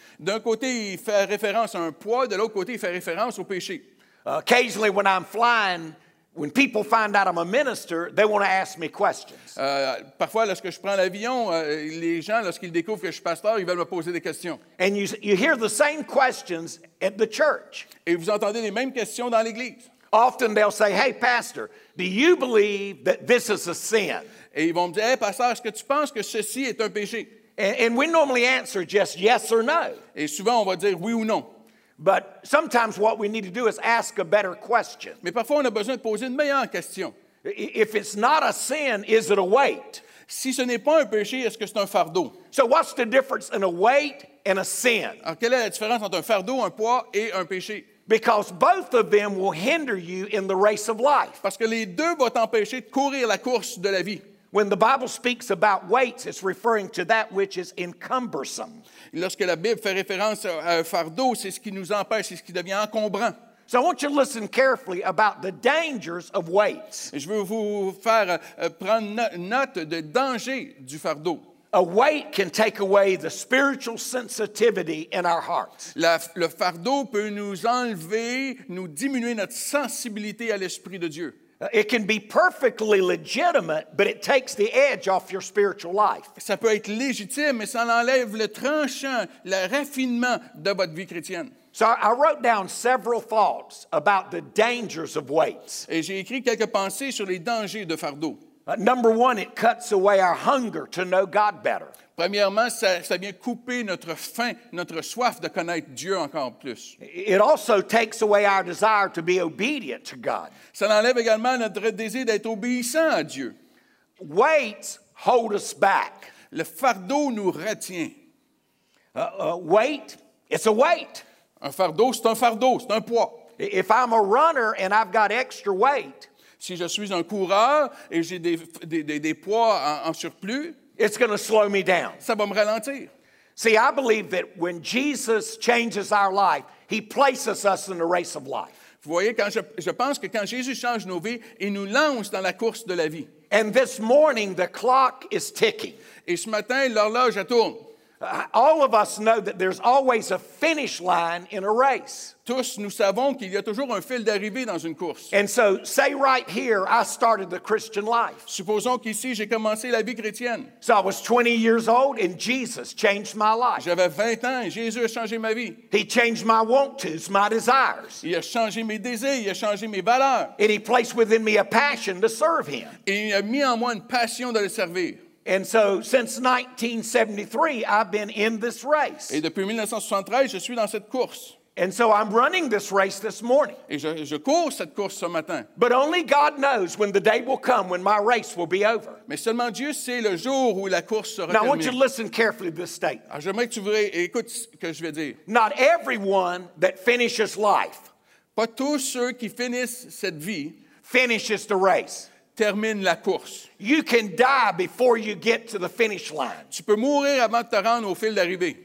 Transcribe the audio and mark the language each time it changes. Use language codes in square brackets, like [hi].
[fr] D'un côté, il fait référence à un poids, de l'autre côté, il fait référence au péché. [en] Occasionally, when I'm flying, when people find out I'm a minister, they want to ask me questions. [fr] Parfois, lorsque je prends l'avion, les gens, lorsqu'ils découvrent que je suis pasteur, ils veulent me poser des questions. [en] And you hear the same questions at the church. [fr] Et vous entendez les mêmes questions dans l'église. [en] Often they'll say, hey, pastor, do you believe that this is a sin? [fr] Et ils vont me dire, hey, pasteur, est-ce que tu penses que ceci est un péché? [en] And we normally answer just yes or no. [fr] Et souvent, on va dire oui ou non. [en] But sometimes what we need to do is ask a better question. [fr] Mais parfois, on a besoin de poser une meilleure question. [en] If it's not a sin, is it a weight? [fr] Si ce n'est pas un péché, est-ce que c'est un fardeau? [en] So what's the difference in a weight and a sin? [fr] Alors, quelle est la différence entre un fardeau, un poids et un péché? [en] Because both of them will hinder you in the race of life. [fr] Parce que les deux vont t'empêcher de courir la course de la vie. [en] When the Bible speaks about weights, it's referring to that which is encumbersome. [fr] Et lorsque la Bible fait référence à un fardeau, c'est ce qui nous empêche, c'est ce qui devient encombrant. [en] So I want you to listen carefully about the dangers of weights. [fr] Et je veux vous faire prendre note des dangers du fardeau. [en] A weight can take away the spiritual sensitivity in our hearts. [fr] Le fardeau peut nous enlever, nous diminuer notre sensibilité à l'Esprit de Dieu. [en] It can be perfectly legitimate, but it takes the edge off your spiritual life. [fr] Ça peut être légitime, mais ça enlève le tranchant, le raffinement de votre vie chrétienne. [en] So I wrote down several thoughts about the dangers of weights. [fr] Et j'ai écrit quelques pensées sur les dangers de fardeau. [en] Number one, it cuts away our hunger to know God better. [fr] Premièrement, ça vient couper notre faim, notre soif de connaître Dieu encore plus. [en] It also takes away our desire to be obedient to God. [fr] Ça enlève également notre désir d'être obéissant à Dieu. [en] Weights hold us back. [fr] Le fardeau nous retient. [en] Weight, it's a weight. [fr] Un fardeau, c'est un fardeau, c'est un poids. [en] If I'm a runner and I've got extra weight, [fr] si je suis un coureur et j'ai des poids en surplus, [en] it's going to slow me down. [fr] Ça va me ralentir. [en] See, I believe that when Jesus changes our life, he places us in the race of life. [fr] Vous voyez, je pense que quand Jésus change nos vies, il nous lance dans la course de la vie. [en] And this morning, the clock is ticking. [fr] Et ce matin, l'horloge tourne. [en] All of us know that there's always a finish line in a race. [fr] Tous nous savons qu'il y a toujours un fil d'arrivée dans une course. [en] And so, say right here, I started the Christian life. [fr] Supposons qu'ici j'ai commencé la vie chrétienne. [en] So I was 20 years old and Jesus changed my life. [fr] J'avais 20 ans et Jésus a changé ma vie. [en] He changed my want-tos, my desires. [fr] Il a changé mes désirs, il a changé mes valeurs. [en] And he placed within me a passion to serve him. [fr] Et il a mis en moi une passion de le servir. [en] And so, since 1973, I've been in this race. [fr] Et depuis 1973, je suis dans cette course. [en] And so, I'm running this race this morning. [fr] Et je cours cette course ce matin. [en] But only God knows when the day will come when my race will be over. [fr] Mais seulement Dieu sait le jour où la course sera terminée. [en] Now, I want you to listen carefully to this statement. [fr] Alors, j'aimerais que tu voudrais écouter ce que je vais dire. [en] Not everyone that finishes life. [fr] Pas tous ceux qui finissent cette vie. [en] Finishes the race. [fr] Termine la course. [en] You can die before you get to the finish line. [fr] Tu peux mourir avant de te rendre au fil d'arrivée.